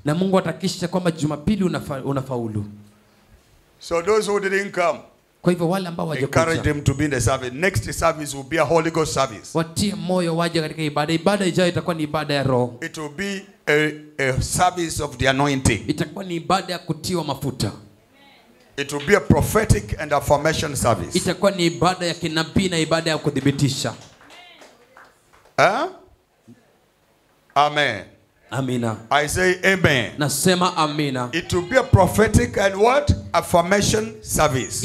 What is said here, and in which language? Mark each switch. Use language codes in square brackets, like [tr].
[sw] Na Mungu atakisha kwamba Jumapili unafaulu. [en] So those who didn't come. [sw] Kwa hivyo wale ambao wajakuja. [en] Encourage them to be in the service. Next service will be a Holy Ghost service. [sw] Watie moyo waje katika ibada. Ibada ijayo itakuwa ni ibada ya roho. [en] It will be a service of the anointing. [sw] Itakuwa ni ibada ya kutiwa mafuta. [en] It will be a prophetic and affirmation service. [sw] Itakuwa ni ibada ya kinabii na ibada ya kudhibitisha. [en] Amen. [sw] Amina. [en] I say amen. [sw] Nasema amina. [en] It will be a prophetic and what? Affirmation service.